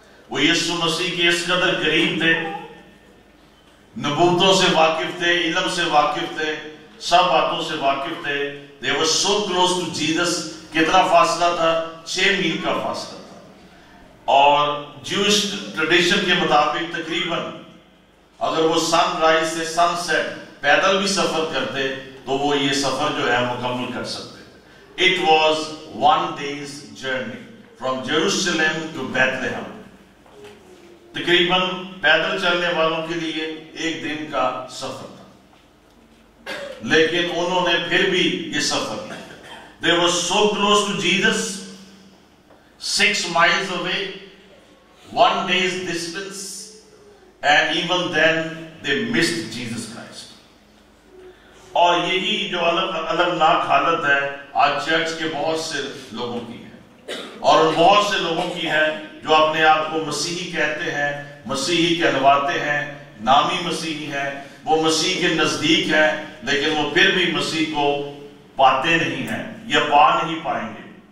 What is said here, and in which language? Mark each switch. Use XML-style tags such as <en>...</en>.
<ur>وہ یسوع مسیح کے اس قدر قریب تھے, نبوتوں سے واقف تھے, علم سے واقف تھے, سب باتوں سے واقف تھے,</ur> <en>they were so close to Jesus.</en> <ur>کتنا فاصلہ تھا؟ 6 میل کا فاصلہ تھا, اور جوش ٹریڈیشن کے مطابق تقریباً اگر وہ سن رائز سے سن سیٹ پیدل بھی سفر کرتے تو وہ یہ سفر جو ہے مکمل کر سکتے.</ur> <en>It was one day's journey from Jerusalem to Bethlehem.</en> <ur>تقریباً پیدل چلنے والوں کے لیے ایک دن کا سفر تھا، لیکن انہوں نے پھر بھی یہ سفر کیا.</ur> <en>They were so close to Jesus, 6 miles away, 1 day's distance, and even then they missed Jesus Christ.</en> <ur>اور یہی جو الگ حالت ہے آج چرچ کے بہت سے لوگوں کی ہے، اور بہت سے لوگوں کی ہے جو اپنے آپ کو مسیحی کہتے ہیں، مسیحی کہلواتے ہیں، نامی مسیحی ہیں، وہ مسیح کے نزدیک ہیں، لیکن وہ پھر بھی مسیح کو پاتے نہیں ہیں یا پا نہیں پائیں گے.</ur>